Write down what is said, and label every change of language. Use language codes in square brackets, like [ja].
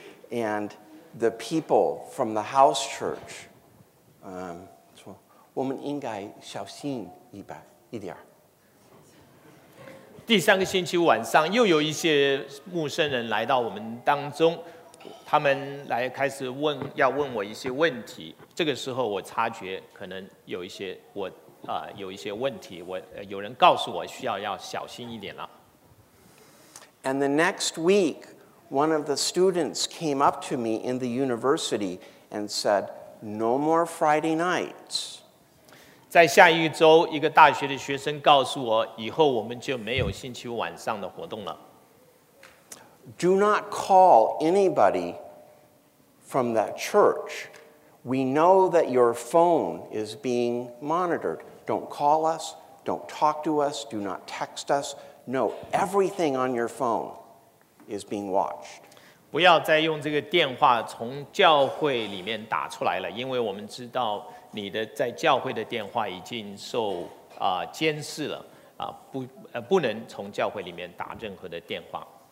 [en] And the people from the house church, [zh] 说我们应该小心一点。第三个星期晚上，又有一些陌生人来到我们当中，他们来开始问，要问我一些问题。这个时候，我察觉可能有一些有一些问题，有人告诉我需要小心一点了。 [en] And the next week, one of the students came up to me in the university and said, "No more Friday nights." [zh] 在下一周，一个大学的学生告诉我，以后我们就没有星期五晚上的活动了。 [en] Do not call anybody from that church. We know that your phone is being monitored. Don't call us. Don't talk to us. Do not text us. No, everything on your phone is being watched. [zh] 不要再用这个电话从教会里面打出来了，因为我们知道你的在教会的电话已经受监视了，不能从教会里面打任何的电话。